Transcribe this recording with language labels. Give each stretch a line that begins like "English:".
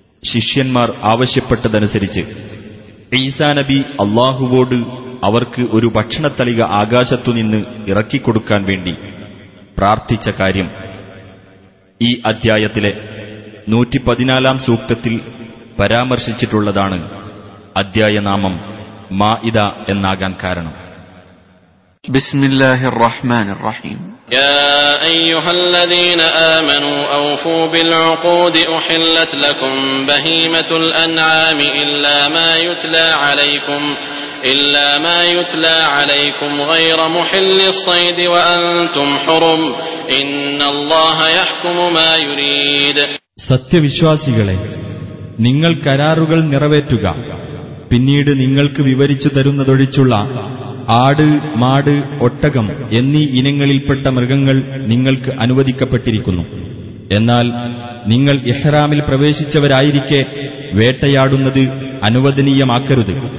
Malayalam: ശിഷ്യന്മാർ ആവശ്യപ്പെട്ടതനുസരിച്ച് ഈസാ നബി അള്ളാഹുവോട് അവർക്ക് ഒരു ഭക്ഷണത്തളിക ആകാശത്തുനിന്ന് ഇറക്കിക്കൊടുക്കാൻ വേണ്ടി പ്രാർത്ഥിച്ച കാര്യം ഈ അധ്യായത്തിലെ 114 സൂക്തത്തിൽ പരാമർശിച്ചിട്ടുള്ളതാണ് അധ്യായനാമം മാഇദ എന്നാകാൻ കാരണം.
Arabic: بسم الله الرحمن الرحيم يا ايها الذين امنوا اوفوا بالعقود احلت لكم بهيمه الانعام الا ما يتلى عليكم غير محل الصيد وانتم حرم ان الله يحكم ما يريد.
Malayalam: സത്യവിശ്വാസികളെ, നിങ്ങൾ കരാറുകൾ നിറവേറ്റുക. പിന്നീട് നിങ്ങൾക്ക് വിവരിച്ചു തരുന്നതൊഴിച്ചുള്ള ആട്, മാട്, ഒട്ടകം എന്നീ ഇനങ്ങളിൽപ്പെട്ട മൃഗങ്ങൾ നിങ്ങൾക്ക് അനുവദിക്കപ്പെട്ടിരിക്കുന്നു. എന്നാൽ നിങ്ങൾ ഇഹ്റാമിൽ പ്രവേശിച്ചവരായിരിക്കെ വേട്ടയാടുന്നത് അനുവദനീയമാക്കരുത്.